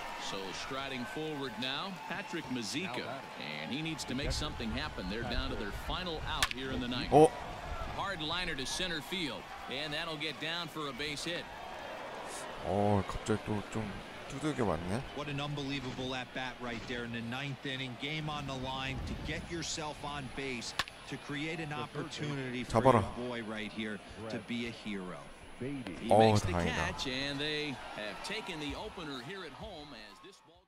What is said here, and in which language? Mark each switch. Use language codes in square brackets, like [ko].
[en] So striding forward now, Patrick Mazika. And he needs to make something happen. They're down to their final out here in the ninth. Hard liner to center field. And that'll get down for a base hit. [ko] 갑자기 또 좀 두들겨 맞네. [en] What an unbelievable at bat right there in the ninth inning, game on the line to get yourself on base to create an opportunity for your boy right here to be a hero. Catch and they have taken the opener here at home as this ball.